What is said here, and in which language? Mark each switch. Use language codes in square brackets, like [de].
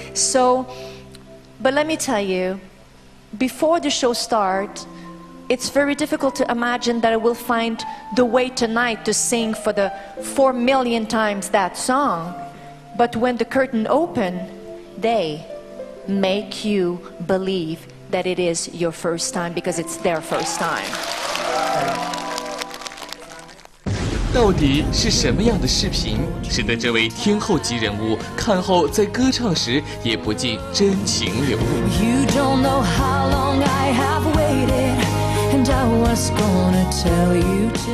[en] So, but let me tell you, before the show starts, it's very difficult to imagine that I will find the way tonight to sing for the 4 million times that song. But when the curtain opens, they make you believe that it is your first time because it's their first time. [zh] 到底是什么样的视频使得这位天后级人物看后在歌唱时也不禁真情流露？ [en] You don't know how long I have waited, and I was gonna tell you tonight.